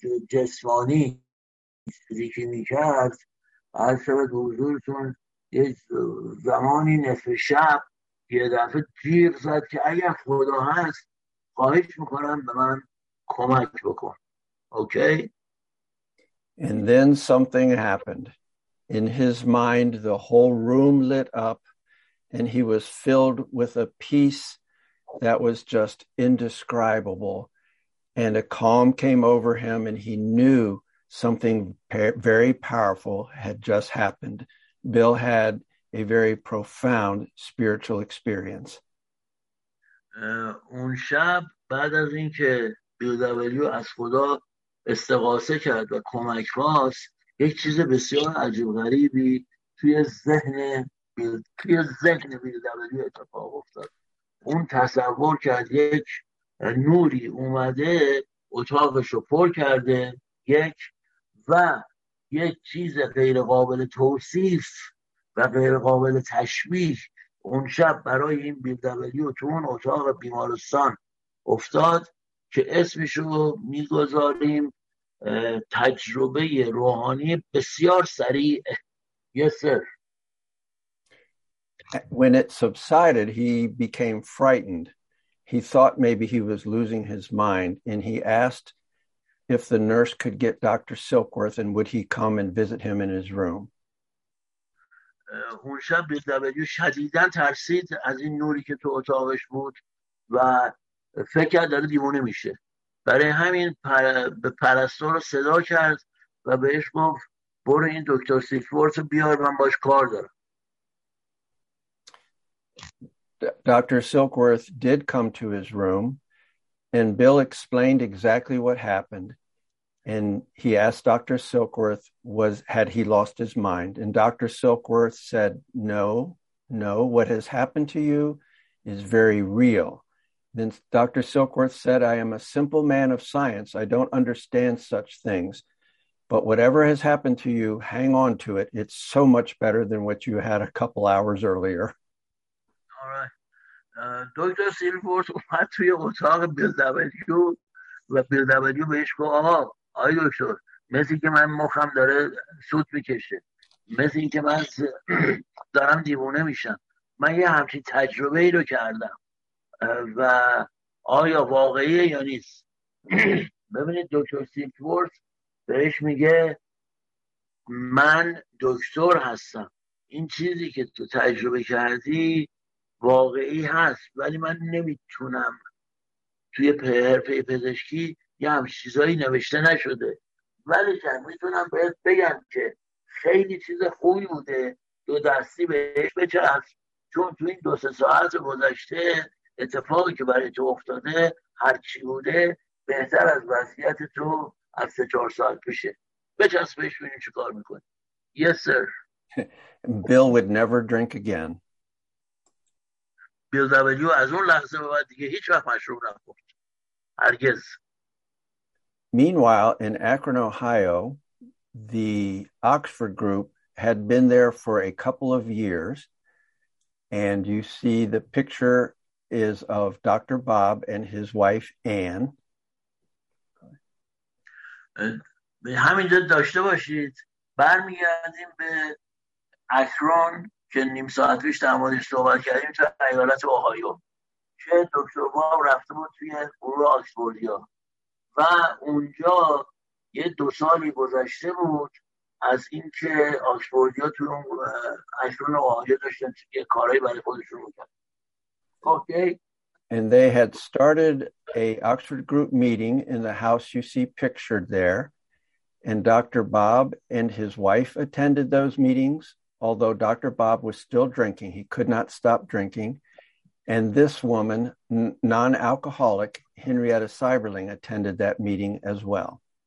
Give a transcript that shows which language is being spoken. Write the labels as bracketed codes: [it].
[fa] جسمانی فیزیکی میکرد، هر شبت حضورتون یه زمانی نصف شب یه دفعه جیغ زد که اگر خدا هست خواهش میکنم به من کمک بکن. [en] Okay? And then something happened. In his mind, the whole room lit up, and he was filled with a peace that was just indescribable. And a calm came over him, and he knew something very powerful had just happened. Bill had a very profound spiritual experience. [fa] اون شب بعد از اینکه بیو از خدا استغاثه کرد و کمک خواست، یک چیز بسیار عجیب غریبی توی ذهن بیل دبلیو اتفاق افتاد. اون تصور کرد یک نوری اومده اتاقش رو پر کرده، یک چیز غیر قابل توصیف و غیر قابل تشبیه اون شب برای این بیل دبلیو تو اون اتاق بیمارستان افتاد که اسمش رو میگذاریم تجربه روحانی بسیار سریع. [en] Yes, sir. When it subsided, he became frightened. He thought maybe he was losing his mind, and he asked if the nurse could get Dr. Silkworth and would he come and visit him in his room. [fa] اون شب بی‌دبلیو شدیداً ترسید از این نوری که تو اتاقش بود و فکر کرد داره دیوونه میشه. برای همین به پرستار رو صدا کرد و بهش گفت برو این دکتر سیلفورت رو بیار، من باش کار دارم. [en] Dr. Silkworth did come to his room and Bill explained exactly what happened and he asked Dr. Silkworth had he lost his mind, and Dr. Silkworth said no, what has happened to you is very real. Then Dr. Silkworth said, I am a simple man of science. I don't understand such things. But whatever has happened to you, hang on to it. It's so much better than what you had a couple hours earlier. All right. Dr. Silkworth went to your [fa] اتاق بیل دبلیو و بیل دبلیو بهش گفت آقای دکتر، مثل اینکه من مخم داره سوت میکشه. مثل اینکه من دارم دیوونه میشم. من یه همچین تجربه ای رو کردم. و آیا واقعیه یا نیست؟ ببینید دکتر سیلفورد بهش میگه من دکتر هستم، این چیزی که تو تجربه کردی واقعی هست، ولی من نمیتونم، توی حرفه پزشکی یه همچین چیزایی نوشته نشده، ولی که میتونم بهت بگم که خیلی چیز خوبی بوده دو دستی بهش بچسب، چون تو این دو سه ساعت گذشته اتفاقی که برای تو افتاده هرچی بوده بهتر از وضعیت تو از 3-4 سال پیشه. بچسب بهش ببینیم چه کار میکنی. [en] Yes, sir. Bill would never drink again. [fa] بیل دبلیو از اون لحظه به بعد دیگه هیچ وقت مشروب نخورد. هرگز. [en] Meanwhile, in Akron, Ohio, the Oxford group had been there for a couple of years, and you see the picture is of Dr. Bob and his wife Ann. [fa] به همین جا داشته باشید. برمیگردیم به اکرون که نیم ساعت پیش در موردش صحبت کردیم، تو ایالت اوهایو که دکتر باب رفته بود توی گروه آکسفوردیا و اونجا یه دو سالی گذشته بود از اینکه آکسفوردیا تو اکرون اوهایو داشتن یه کارهایی برای خودشون بکنن. [en] Okay. And they had started a Oxford group meeting in the house you see pictured there. And Dr. Bob and his wife attended those meetings, although Dr. Bob was still drinking. He could not stop drinking. And this woman, non-alcoholic, Henrietta Seiberling, attended that meeting as well.